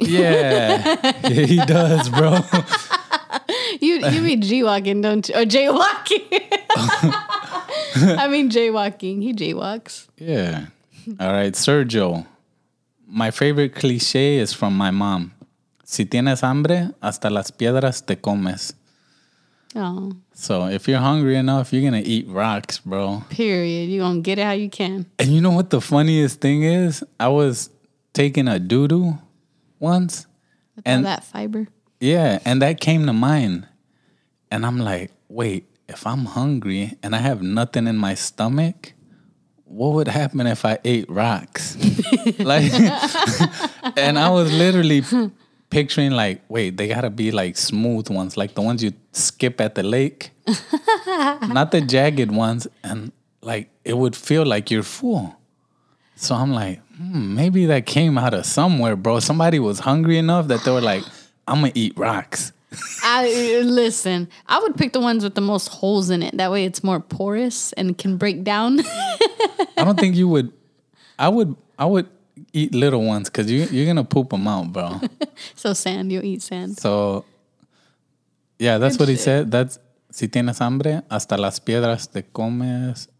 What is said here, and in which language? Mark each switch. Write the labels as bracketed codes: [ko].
[en] Yeah, he does, bro. You mean G-walking, don't you? Or jaywalking. I mean jaywalking. He jaywalks. Yeah. All right, Sergio. My favorite cliche is from my mom. [es] Si tienes hambre, hasta las piedras te comes. [en] Oh. So if you're hungry enough, you're going to eat rocks, bro. Period. You're going to get it how you can. And you know what the funniest thing is? I was taking a doo-doo once. And that fiber. Yeah. And that came to mind. And I'm like, wait, if I'm hungry and I have nothing in my stomach, what would happen if I ate rocks? Like, and I was literally picturing like, wait, they gotta be like smooth ones, like the ones you skip at the lake, not the jagged ones. And like, it would feel like you're full. So I'm like, maybe that came out of somewhere, bro. Somebody was hungry enough that they were like, I'm gonna eat rocks. I would pick the ones with the most holes in it. That way it's more porous and can break down. I don't think you would. I would eat little ones because you're gonna poop them out, bro. So sand, you'll eat sand. So yeah, that's what he said. That's [es] si tienes hambre, hasta las piedras te comes.